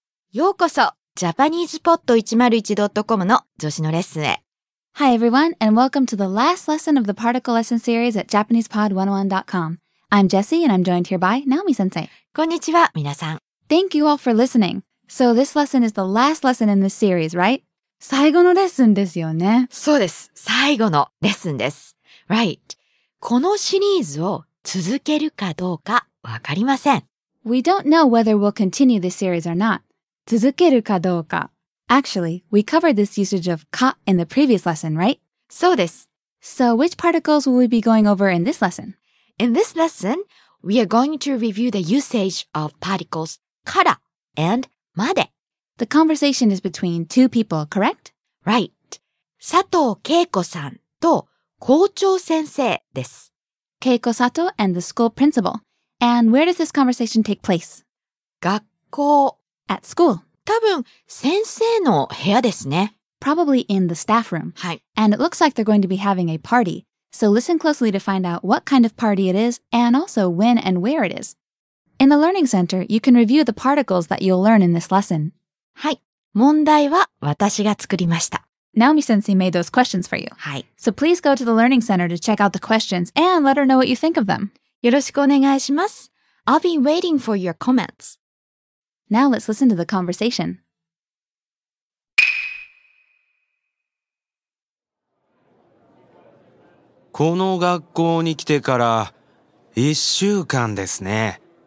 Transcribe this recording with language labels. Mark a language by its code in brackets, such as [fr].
[ja] ようこそ JapanesePod101.com の女子のレッスンへ。 [en] Hi everyone, and welcome to the last lesson of the Particle Lesson series at JapanesePod101.com. I'm Jessie, and I'm joined here by Naomi-sensei. [ja] こんにちは、皆さん。 [en] Thank you all for listening. So this lesson is the last lesson in this series, right? [ja] 最後のレッスンですよね。そうです。最後のレッスンです。Right. このシリーズを続けるかどうかわかりません。 [en] We don't know whether we'll continue this series or not. [ja] 続けるかどうか。 [en] Actually, we covered this usage of か in the previous lesson, right? [ja] そうです。 [en] So which particles will we be going over in this lesson? In this lesson, we are going to review the usage of particles から and まで. The conversation is between two people, correct? Right. [ja] 佐藤恵子さんと校長先生です。 [en] Keiko Sato and the school principal. And where does this conversation take place? [ja] 学校。 [en] At school. [ja] 多分、先生の部屋ですね。 [en] Probably in the staff room. [ja] はい。 [en] And it looks like they're going to be having a party. So listen closely to find out what kind of party it is and also when and where it is. In the learning center, you can review the particles that you'll learn in this lesson. [ja] はい。問題は私が作りました。 [en] Naomi-sensei made those questions for you. [ja] はい。 [en] So please go to the Learning Center to check out the questions and let her know what you think of them. [ja] よろしくお願いします。 [en] I'll be waiting for your comments. Now let's listen to the conversation. [ja] この学校に来てから一週間ですね。